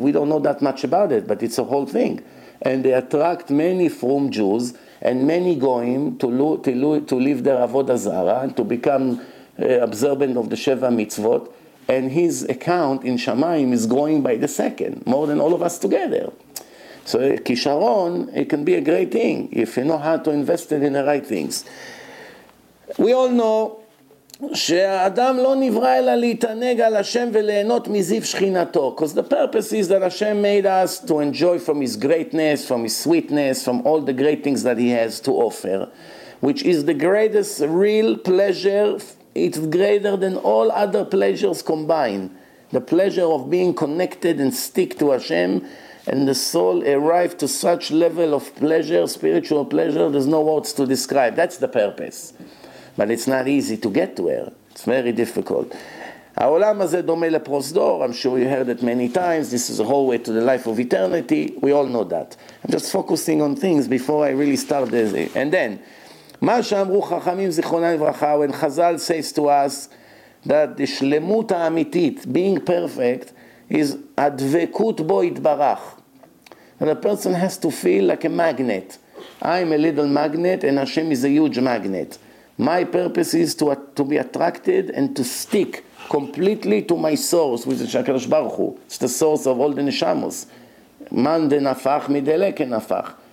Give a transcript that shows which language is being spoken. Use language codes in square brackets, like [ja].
[en] We don't know that much about it, but it's a whole thing. And they attract many from Jews and many goyim to leave their Avodah Zara and to become observant of the Sheva Mitzvot. And his account in Shamayim is growing by the second, more than all of us together. So Kisharon, it can be a great thing if you know how to invest it in the right things. We all know [he] שהאדם לא נברא אלא להתענג על השם וליהנות מזיו שכינתו. [en] Because the purpose is that Hashem made us to enjoy from his greatness, from his sweetness, from all the great things that he has to offer, which is the greatest real pleasure. It's greater than all other pleasures combined. The pleasure of being connected and stick to Hashem, and the soul arrive to such level of pleasure, spiritual pleasure, there's no words to describe. That's the purpose. But it's not easy to get to her. It's very difficult. [he] העולם הזה דומה לפרוסדור. [en] I'm sure you heard it many times. This is a hallway to the life of eternity. We all know that. I'm just focusing on things before I really start this. And then, [he] מה שאמרו חכמים זיכרונה לברכה, [en] when Chazal says to us that the [he] שלמות האמיתית, [en] being perfect, is [he] הדבקות בו יתברך. [en] And a person has to feel like a magnet. I'm a little magnet and Hashem is a huge magnet. My purpose is to be attracted and to stick completely to my source, which is HaKadosh Baruch Hu. It's the source of all the neshamos. [arc] Man de nafach mi de leke nafach.